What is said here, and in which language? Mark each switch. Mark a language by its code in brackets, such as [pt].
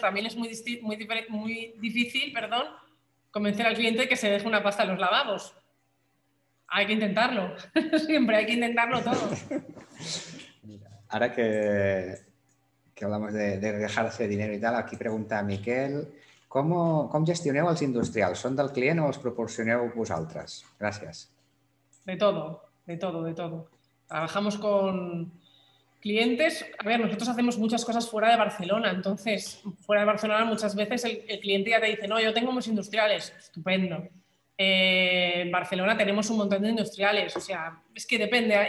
[es] También es muy difícil, convencer al cliente que se deje una pasta en los lavabos. Hay que intentarlo. Siempre hay que intentarlo todo. Mira, ahora que hablamos de dejarse dinero y tal, aquí pregunta Miquel, [ca] ¿com gestioneu els industrials? ¿Són del client o els proporcioneu vosaltres? Gràcies. [es] De todo. Trabajamos con clientes. A ver, nosotros hacemos muchas cosas fuera de Barcelona. Entonces, fuera de Barcelona muchas veces el cliente ya te dice, no, yo tengo unos industriales. Estupendo. En Barcelona tenemos un montón de industriales. O sea, es que depende.